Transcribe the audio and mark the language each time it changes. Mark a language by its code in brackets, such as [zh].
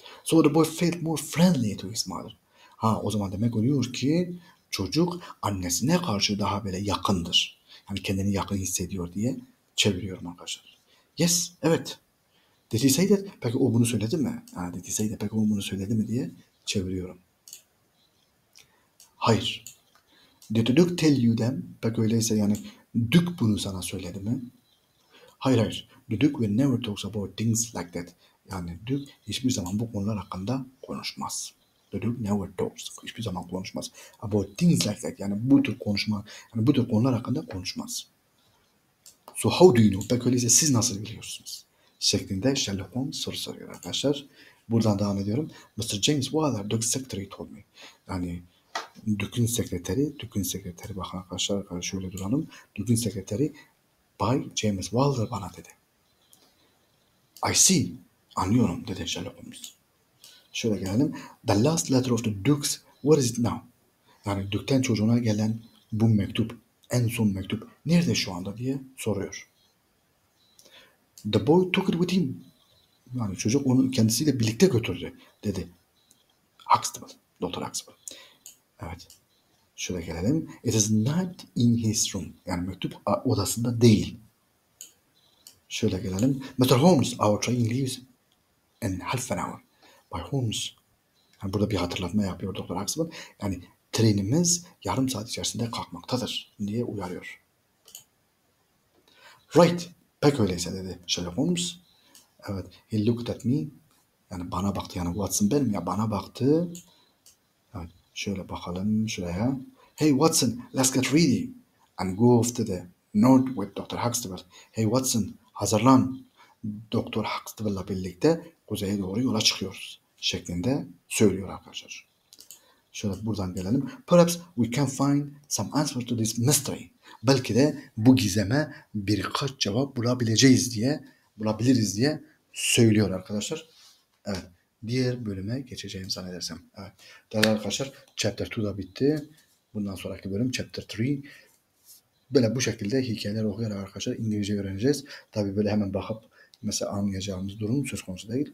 [en] So the boy felt more friendly to his mother. [tr] Ha o zaman demek oluyor ki çocuk annesine karşı daha böyle yakındır. Yani kendini yakın hissediyor diye çeviriyorum arkadaşlar. Yes, evet. [en] Did he say that? [tr] Peki o bunu söyledi mi? Yani [en] did he say that? [tr] Peki o bunu söyledi mi diye çeviriyorum. Hayır. [en] Did the Duke tell you them? [tr] Peki öyleyse yani Duke bunu sana söyledi mi? Hayır hayır. [en] The Duke will never talk about things like that. [tr] Yani Duke hiçbir zaman bu konular hakkında konuşmaz. [en] The Duke never talks. [tr] Hiçbir zaman konuşmaz. [en] About things like that. [tr] Yani bu tür konuşma, yani bu tür konular hakkında konuşmaz. [en] So how do you know? [tr] Peki öyleyse siz nasıl biliyorsunuz? Şeklinde Sherlock Holmes soru soruyor arkadaşlar. Buradan devam ediyorum. Mr. [en] James Waller, Duke's secretary told me. [tr] Yani Duke'un sekreteri, Duke'un sekreteri bakın arkadaşlar şöyle duralım. Duke'un sekreteri Bay James Waller bana dedi. [en] I see. [tr] Anlıyorum dedi Sherlock Holmes. Şöyle gelelim. [en] The last letter of the Duke's, where is it now? [tr] Yani Duke'ten çocuğuna gelen bu mektup, en son mektup nerede şu anda diye soruyor. [en] The boy took it with him. [tr] Yani çocuk onu kendisiyle birlikte götürdü dedi. Huxtable, Dr. Huxtable. Evet. Şöyle gelelim. [en] It is not in his room. [tr] Yani mektup odasında değil. Şöyle gelelim. Mr. [en] Holmes, our train leaves in half an hour. [tr] By Holmes. Yani burada bir hatırlatma yapıyor Dr. Huxtable. Yani trenimiz yarım saat içerisinde kalkmaktadır diye uyarıyor. Right. Pek öyleyse dedi Sherlock Holmes. Evet. [en] He looked at me. [tr] Yani bana baktı. Yani Watson benim ya bana baktı. Evet. Şöyle bakalım şuraya. [en] Hey Watson, let's get ready and go off to the north with Dr. [tr] Huxtable. Hey Watson, hazırlan. Dr. Huxtable'la birlikte kuzeye doğru yola çıkıyoruz. Şeklinde söylüyor arkadaşlar. Şöyle buradan gelelim. [en] Perhaps we can find some answers to this mystery. [tr] Belki de bu gizeme birkaç cevap bulabiliriz diye söylüyor arkadaşlar. Evet. Diğer bölüme geçeceğim zannedersem. Evet. Değerli arkadaşlar, chapter 2 da bitti. Bundan sonraki bölüm chapter 3. Böyle bu şekilde hikayeler okuyarak arkadaşlar İngilizce öğreneceğiz. Tabii böyle hemen bakıp mesela anlayacağımız durum söz konusu değil.